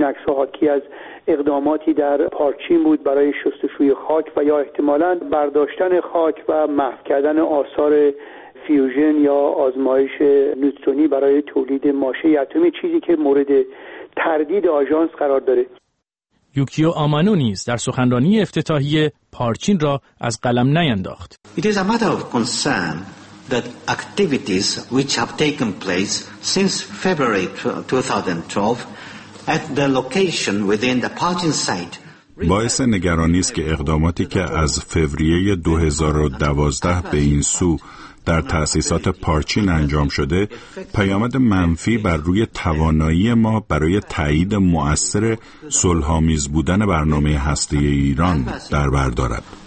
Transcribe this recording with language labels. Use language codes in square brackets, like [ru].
[fa] این عکس‌ها حاکی از اقداماتی در پارچین بود برای شستشوی خاک و یا احتمالاً برداشتن خاک و محو کردن آثار فیوژن یا آزمایش نوترونی برای تولید ماشه اتمی، چیزی که مورد تردید آژانس قرار داره. یوکیو آمانو نیز در سخنرانی افتتاحیه پارچین را از قلم نینداخت. [en] It is a matter of concern that activities which have taken place since February 2012 at the location within the Parchin site. [fa] باعث نگرانی است که اقداماتی که از فوریه 2012 به این سو در تأسیسات پارچین انجام شده، پیامد منفی بر روی توانایی ما برای تایید مؤثر صلح‌آمیز بودن برنامه هسته‌ای ایران در بر دارد.